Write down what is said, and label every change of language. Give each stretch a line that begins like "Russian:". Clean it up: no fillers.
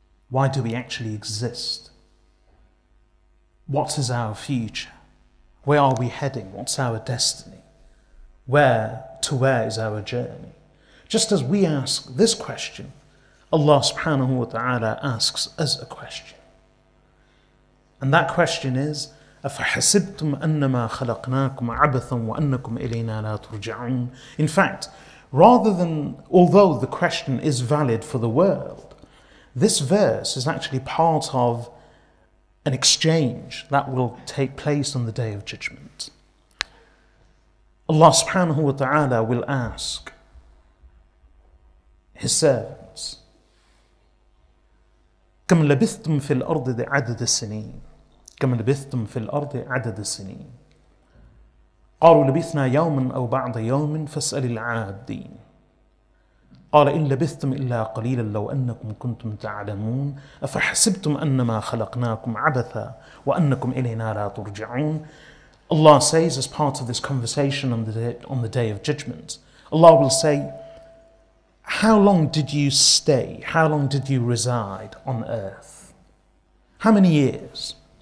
English: Why do we actually exist? What is our future? Where are we heading? What's our destiny? Where is our journey? Just as we ask this question, Allah subhanahu wa ta'ala asks us a question. And that question is,
Arabic: أَفَحَسِبْتُمْ أَنَّمَا خَلَقْنَاكُمْ عَبَثًا وَأَنَّكُمْ إِلَيْنَا لَا تُرْجَعُونَ.
English: In fact, rather than, although the question is valid for the world, this verse is actually part of an exchange that will take place on the Day of Judgment. Allah subhanahu wa ta'ala will ask His servants,
Arabic: كَمْ لَبِثْتُمْ فِي الْأَرْضِ عَدَدَ السِّنِينَ كَمْ لَبِثْتُمْ فِي الْأَرْضِ عَدَدَ السِّنِينَ قَالُوا لَبِثْنَا يَوْمًا أَوْ بَعْضَ يَوْمٍ فَاسْأَلِ الْعَادِّينَ قال إن لبثتم إلا قليلا لو أنكم كنتم تعلمون أفحسبتم أنما خلقناكم عبثا وأنكم إلينا لا ترجعون.
English: Allah says, as part of this conversation on the day of judgment, Allah will say, how long did you stay? How long did you reside on earth? How many years?